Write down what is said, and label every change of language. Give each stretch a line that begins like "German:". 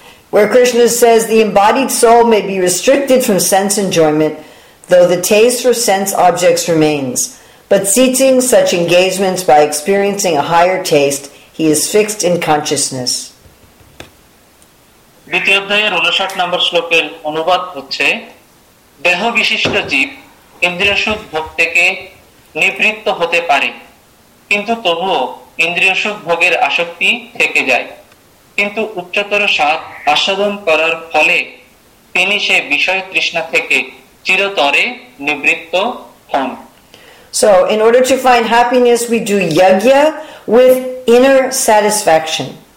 English: Where Krishna says, the embodied soul may be restricted from sense enjoyment, though the taste for sense objects remains. But seeking such engagements by experiencing a higher taste, he is fixed in consciousness.
Bangla: দ্বিতীয় অধ্যায়ের 59 নম্বর শ্লোকের অনুবাদ হচ্ছে, দেহ বিশিষ্ট জীব ইন্দ্রিয়সুখ ভোগ থেকে নিবৃত্ত হতে পারে, কিন্তু তবুও ইন্দ্রিয়সুখ ভোগের আসক্তি থেকে যায়, কিন্তু উচ্চতর স্বাদ আস্বাদন করার ফলে তিনি সে বিষয় তৃষ্ণা থেকে চিরতরে নিবৃত্ত হন।
English: So in order to find happiness, we do yajna with inner satisfaction.